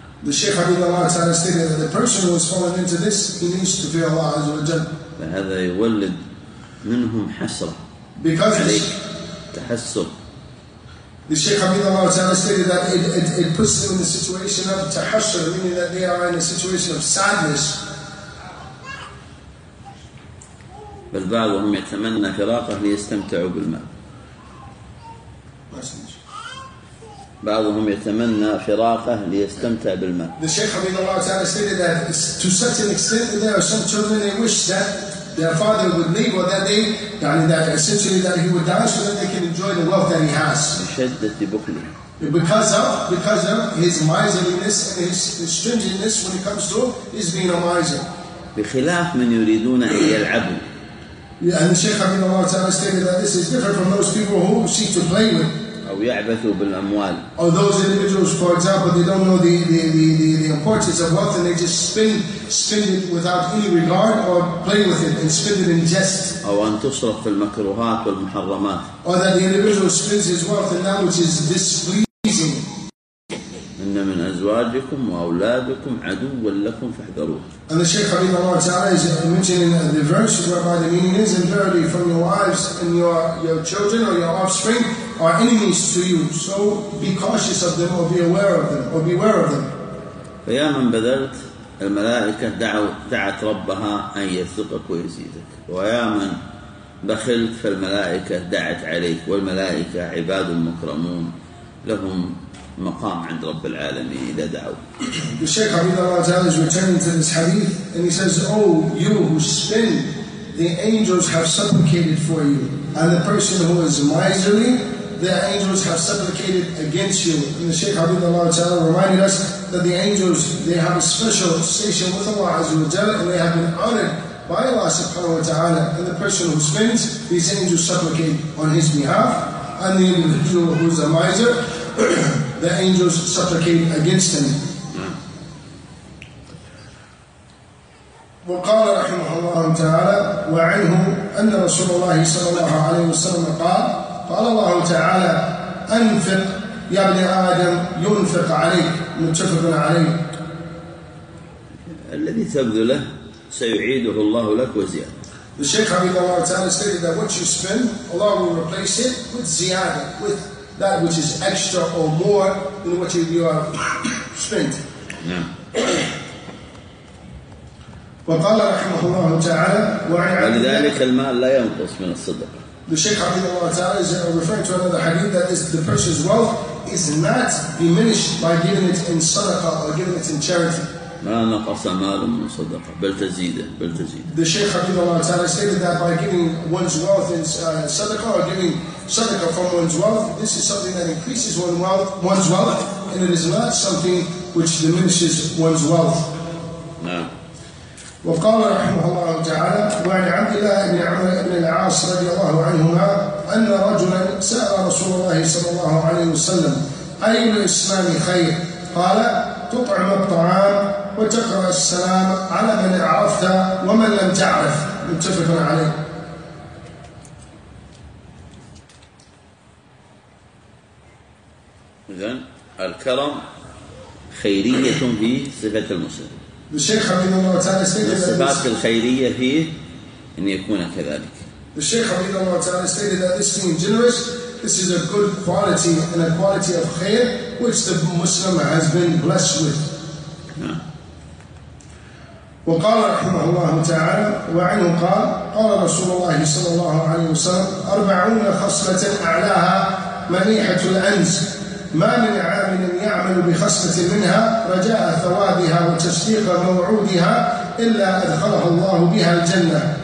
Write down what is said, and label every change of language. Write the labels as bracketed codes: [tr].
[en] The Shaykh Habibullah Ta'ala stated that the person who has fallen into this, he needs to fear Allah Azza wa Jal. [ar] فهذا يولد منهم حسرة. [en] Because this. [ar] تحسر. [en] The Shaykh Habibullah Ta'ala stated that it puts them in a situation of tahassur, meaning that they are in a situation of sadness. [ar] بل بعضهم يتمنى فراقه ليستمتعوا بالمال. بعضهم يتمنى فراقه ليستمتع بالمال. [en] The Shaykh Habibullah Ta'ala stated that to such an extent that there are some children they wish that their father would leave, or that they, يعني that essentially that he would die so that they can enjoy the wealth that he has. [ar] بشدة بخله. [en] Because of his miserliness and his stinginess when it comes to his being a miser. [ar] بخلاف من يريدون أن يلعبوا. [en] Yeah, and the Shaykh Habibullah Ta'ala stated that this is different from those people who seek to play with. [ar] أو يعبثوا بالأموال. [en] Or those individuals, for example, they don't know the importance of wealth and they just spend it without any regard or play with it and spend it in jest. [ar] أو أن تصرف في المكروهات والمحرمات. [en] Or that the individual spends his wealth in that which is displeasing. [ar] إن من أزواجكم وأولادكم عدو لكم فاحذروه. [en] And the Shaykh Habibullah Ta'ala is mentioning the verse whereby the meaning is, and verily from your wives and your children or your offspring are enemies to you, so be cautious of them or be aware of them or beware of them. [ar] فيا من بذلت الملائكة دعت ربها أن يرزقك ويزيدك، ويا من بخلت فالملائكة دعت عليك، والملائكة عباد مكرمون لهم مقام عند رب العالمين إذا دعوا. [en] The Shaykh Hafidhullah Ta'ala is returning to this hadith and he says, oh you who spin, the angels have supplicated for you, and the person who is miserly, the angels have supplicated against you. And the Shaykh Hafidhullah Ta'ala reminded us that the angels, they have a special station with Allah Azza wa Jalla, and they have been honored by Allah Subhanahu wa Ta'ala, and the person who spins, these angels supplicate on his behalf, and the individual who is a miser, the angels supplicate against him. [ar] وقال رحمه الله تعالى وعنه أن رسول الله صلى الله عليه وسلم قال قال الله تعالى أنفق يا ابن آدم ينفق عليك. متفق عليه. الذي تبذله سيعيده الله لك وزيادة. [en] The Shaykh Hafidhullah Ta'ala stated that what you spend, Allah will replace it with ziyada, with that which is extra or more than what you have spent. [ar] وقال رحمه الله تعالى ولذلك المال لا ينقص من الصدق. [en] The Shaykh Hafidhullah Ta'ala is referring to another hadith that is the person's wealth is not diminished by giving it in sadaqah or giving it in charity. [ar] ما نقص مال من صدقة بل تزيده بل تزيده. [en] The Shaykh Hafidhullah Ta'ala stated that by giving one's wealth in sadaqah or giving sadaqah from one's wealth, this is something that increases one's wealth and it is not something which diminishes one's wealth. [ar] وقال رحمه الله تعالى وعن عبد الله بن عمرو بن العاص رضي الله عنهما أن رجلا سأل رسول الله صلى الله عليه وسلم أي الإسلام خير؟ قال تطعم الطعام وتقرأ السلام على من عرفت ومن لم تعرف. متفق عليه. إذن الكرم خيرية في صفة المسلم. الشيخ حفظه الله تعالى الصفات الخيرية هي أن يكون كذلك. الشيخ حفظه الله تعالى [en] stated that this being generous, this is a good quality and a quality of خير which the Muslim has been blessed with. [ar] وقال رحمه الله تعالى وعنه قال قال رسول الله صلى الله عليه وسلم 40 خصلة أعلاها منيحة الأنس. ما من عامل يعمل بخصلة منها رجاء ثوابها وتصديق موعودها إلا أدخله الله بها الجنة.